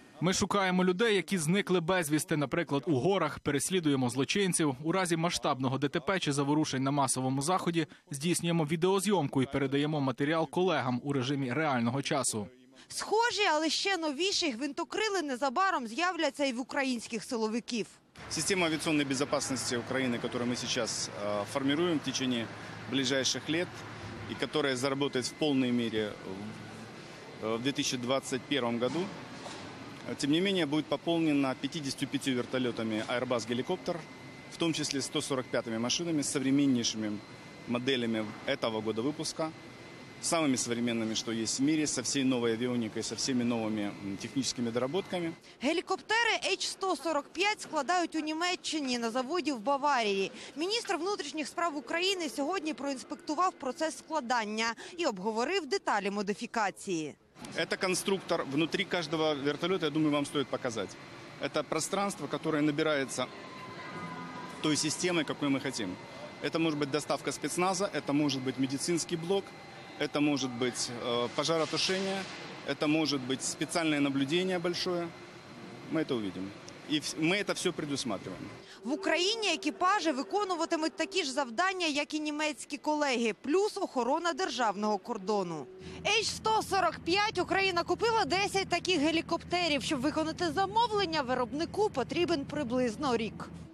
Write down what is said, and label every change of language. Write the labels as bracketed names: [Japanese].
[Ukrainian] Ми шукаємо людей, які зникли безвісти, наприклад, у горах, переслідуємо злочинців. У разі масштабного ДТП чи заворушень на масовому заході здійснюємо відеозйомку і передаємо матеріал колегам у режимі реального часу. Схожі, але ще новіші гвинтокрили незабаром з'являться і в українських силовиків. Система авіаційної безпеки України, яку ми зараз формуємо [Russian] в течение ближайших лет, [Ukrainian] і яка заработає в повній мірі в 2021 році, [Russian] тем не менее, будет пополнена 55 вертолетами Airbus Helicopter, в том числе 145 машинами, современнейшими моделями этого года выпуска, самыми современными, что есть в мире, со всей новой авионикой, со всеми новыми техническими доработками. [Ukrainian] Гелікоптери H-145 складають у Німеччині на заводі в Баварії. Міністр внутрішніх справ України сьогодні проінспектував процес складання і обговорив деталі модифікації. [Russian] Это конструктор внутри каждого вертолета, я думаю, вам стоит показать. Это пространство, которое набирается той системой, какой мы хотим. Это может быть доставка спецназа, это может быть медицинский блок, это может быть пожаротушение, это может быть специальное наблюдение большое. Мы это увидим. [Ukrainian] І ми це все предусматриваємо. В Україні екіпажі виконуватимуть такі ж завдання, як і німецькі колеги. Плюс охорона державного кордону. H-145 Україна купила 10 таких гелікоптерів. Щоб виконати замовлення, виробнику потрібен приблизно рік.